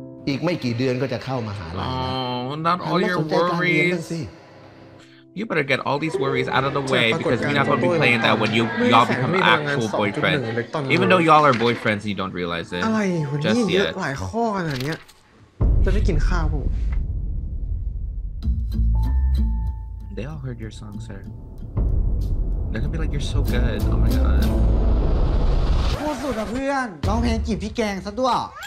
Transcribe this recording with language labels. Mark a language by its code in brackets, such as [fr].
[th] อีกไม่กี่เดือนก็จะเข้ามหาลัยแล้ว [en] Not all your worries. You better get all these worries out of the way because we're not going to be playing that when y'all become actual boyfriends. Even though y'all are boyfriends and you don't realize it just yet. [th] หลายข้อขนาดนี้จะได้กินข้าวผม [en] They all heard your song, sir. They're gonna be like, you're so good. Oh my god. [th] พูดสุดอ่ะเพื่อนร้องเพลงจีบพี่แกงซะด้วย